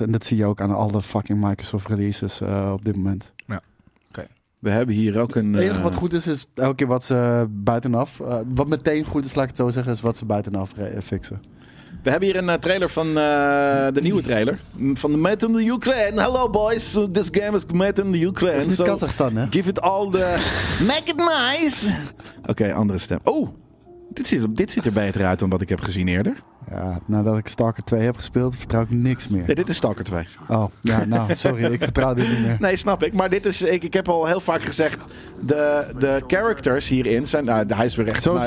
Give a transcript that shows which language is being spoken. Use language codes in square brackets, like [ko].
[nl] En dat zie je ook aan alle fucking Microsoft releases op dit moment. We hebben hier ook een... Het enige wat goed is, is elke keer wat ze buitenaf... wat meteen goed is, laat ik het zo zeggen, is wat ze buitenaf fixen. We hebben hier een trailer van... de nieuwe trailer. Van Made in the Ukraine. [en] Hello boys, this game is Made in the Ukraine. [nl] Dat is niet Kazachstan, hè? [en] Give it all the... Make it nice! [nl] Oké, andere stem. Oh, dit ziet er beter uit dan wat ik heb gezien eerder. Ja, nadat ik Stalker 2 heb gespeeld, vertrouw ik niks meer. Nee, dit is Stalker 2. Oh, ja, nou, sorry, ik vertrouw dit niet meer. Nee, snap ik. Maar dit is, ik heb al heel vaak gezegd, de characters hierin zijn, hij is weer recht.